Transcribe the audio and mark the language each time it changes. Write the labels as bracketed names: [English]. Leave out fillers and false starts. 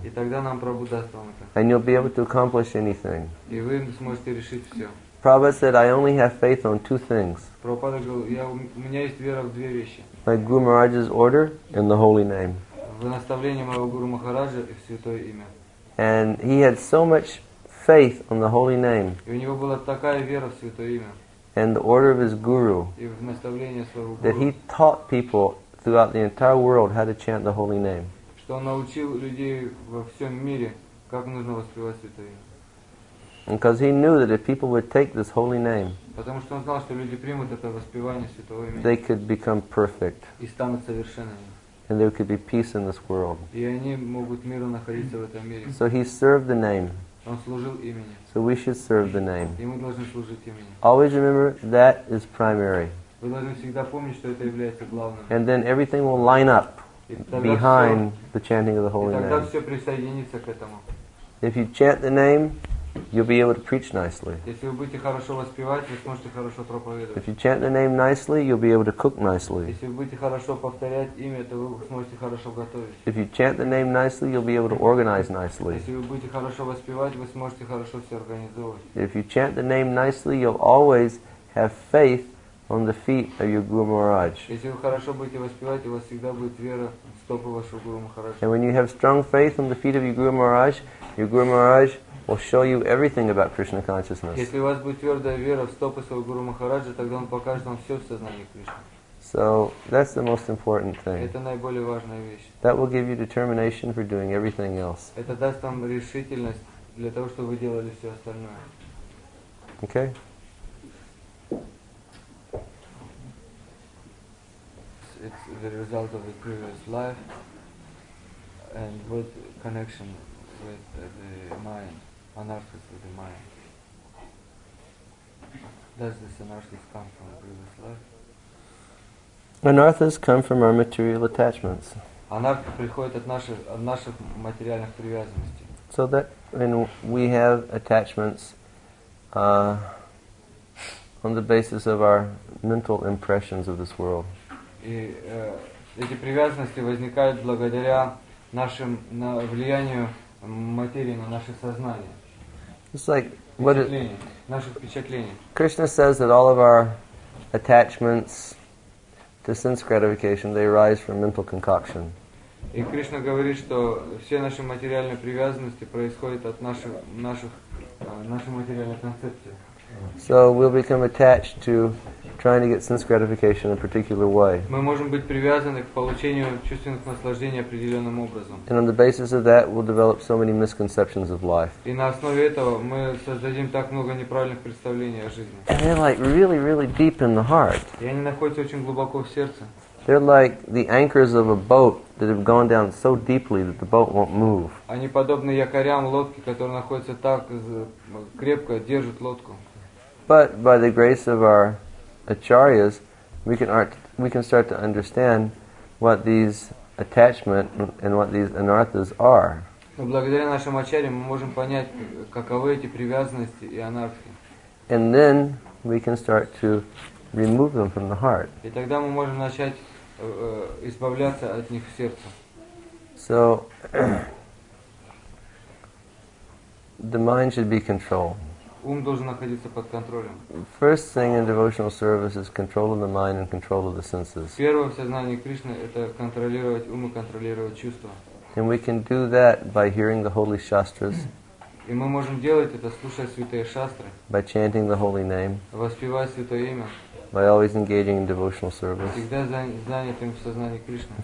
[Russian] И тогда Нам Прабху даст вам это. [English] And you'll be able to accomplish anything. [Russian] И вы сможете решить все. [English] Prabhupada said, I only have faith on two things. [Russian] Прабхупада говорил, у меня есть вера в две вещи. [English] My Guru Maharaj's order and the holy name. [Russian] В наставление моего Гуру Махараджа и в святое имя. [English] And he had so much faith on the holy name. [Russian] И у него была такая вера в святое имя. [English] And the order of his guru, that he taught people throughout the entire world how to chant the holy name. [Russian] Что он научил людей во всем мире, как нужно воспевать святое имя. [English] And because he knew that if people would take this holy name, [Russian] потому что он знал, что люди примут это воспевание святого имени, [English] they could become perfect. [Russian] И станут совершенными. [English] And there could be peace in this world. [Russian] И они могут миру находиться в этом мире. [English] So he served the name. [Russian] Он служил имени. [English] So we should serve the name. [Russian] И мы должны служить имени. [English] Always remember that is primary. [Russian] Вы должны всегда помнить, что это является главным. [English] And then everything will line up behind the chanting of the holy name. [Russian] И тогда все присоединится к этому. [English] If you chant the name, you'll be able to preach nicely. [Russian] Если вы будете хорошо воспевать, вы сможете хорошо проповедовать. [English] If you chant the name nicely, you'll be able to cook nicely. [Russian] Если вы будете хорошо повторять имя, то вы сможете хорошо готовить. [English] If you chant the name nicely, you'll be able to organize nicely. [Russian] Если вы будете хорошо воспевать, вы сможете хорошо все организовывать. [English] If you chant the name nicely, you'll always have faith on the feet of your Guru Maharaj. [Russian] Если вы хорошо будете воспевать, у вас всегда будет вера в стопы вашего Гуру Махараджа. [English] And when you have strong faith on the feet of your Guru Maharaj will show you everything about Krishna consciousness. [Russian] Если у вас будет твердая вера в стопы своего Гуру Махараджа, тогда он покажет вам все в сознании Кришны. [English] So that's the most important thing. [Russian] Это наиболее важная вещь. [English] That will give you determination for doing everything else. [Russian] Это даст вам решительность для того, чтобы вы делали все остальное. [English] Okay. It's the result of the previous life and what connection with the mind. Anarthas with the mind. Does this anarthas come from the previous life? Anarthas come from our material attachments. [Russian] Анархис приходит от наших материальных привязанностей. [English] So that when we have attachments on the basis of our mental impressions of this world. [Russian] И эти привязанности возникают благодаря влиянию материи на наше сознание. [English] It's like what [Russian] наших впечатлений. [English] Krishna says that all of our attachments to sense gratification they arise from mental concoction. [Russian] И Кришна говорит, что все наши материальные привязанности происходят от наших материальных концепций. [English] So we'll become attached to trying to get sense gratification in a particular way. [Russian] Мы можем быть привязаны к получению чувственных наслаждений определенным образом. [English] And on the basis of that, we'll develop so many misconceptions of life. [Russian] И на основе этого мы создадим так много неправильных представлений о жизни. [English] They're like really, really deep in the heart. [Russian] И они находятся очень глубоко в сердце. [English] They're like the anchors of a boat that have gone down so deeply that the boat won't move. [Russian] Они подобны якорям лодки, которые находятся так крепко, держат лодку. [English] But by the grace of our acharyas, we can start to understand what these attachment and what these anarthas are. [Russian] Но благодаря нашим ачарьям мы можем понять, каковы эти привязанности и анархи. [English] And then we can start to remove them from the heart. [Russian] И тогда мы можем начать избавляться от них в сердце. [English] So the mind should be controlled. [Russian] Ум должен находиться под контролем. [English] First thing in devotional service is control of the mind and control of the senses. [Russian] Первое в сознании Кришны это контролировать ум и контролировать чувства. [English] And we can do that by hearing the holy shastras. [Russian] И мы можем делать это, слушая святые шастры. [English] By chanting the holy name. [Russian] Воспевая святое имя. [English] By always engaging in devotional service. [Russian] Всегда занятым в сознании Кришны.